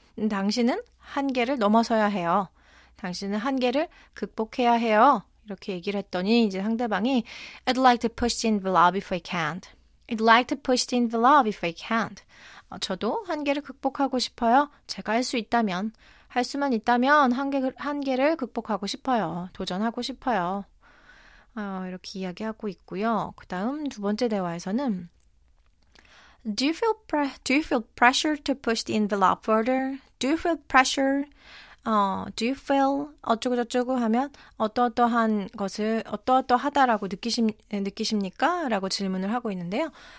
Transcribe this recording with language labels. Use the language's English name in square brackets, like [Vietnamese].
[Korean] 당신은 한계를 넘어서야 해요. 당신은 한계를 극복해야 해요. 이렇게 얘기를 했더니 이제 상대방이 [English] I'd like to push the envelope if I can't. I'd like to push the envelope if I can't. [Korean] 저도 한계를 극복하고 싶어요. 제가 할 수 있다면. 할 수만 있다면 한계를 극복하고 싶어요. 도전하고 싶어요. 이렇게 이야기하고 있고요. 그 다음 두 번째 대화에서는 [English] Do you feel pressure to push the envelope further? Do you feel pressure? Do you feel [Korean] 어쩌고저쩌고 하면 어떠어떠한 것을 어떠어떠하다라고 느끼십니까? 라고 질문을 하고 있는데요.